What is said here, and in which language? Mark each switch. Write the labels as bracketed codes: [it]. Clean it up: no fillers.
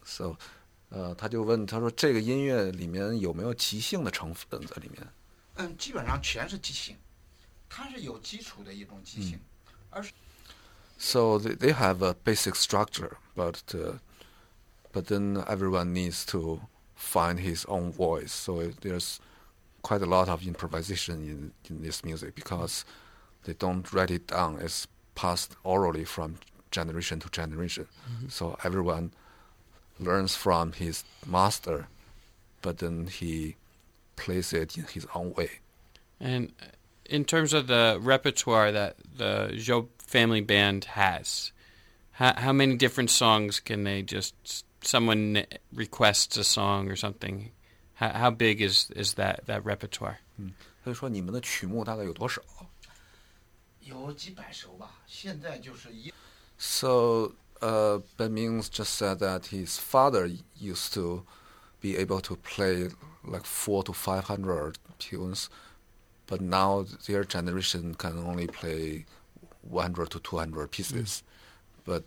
[zh] So, 他就问他说，这个音乐里面有没有即兴的成分在里面？嗯，基本上全是即兴，它是有基础的一种即兴，而是。 [en] So they have a basic structure, but then everyone needs to find his own voice. So there's quite a lot of improvisation in this music because they don't write it down. It's passed orally from generation to generation. Mm-hmm. So everyone learns from his master, but then he plays it in his own way. And in terms of the repertoire that the Zhou family band has, how many different songs can they just... Someone requests a song or something. How big is that repertoire? [zh] 所以说你们的曲目大概有多少？有几百首吧。现在就是一。 [en] So, Benming just said that his father used to be able to play like 400 to 500 tunes, but now their generation can only play 100 to 200 pieces. Mm.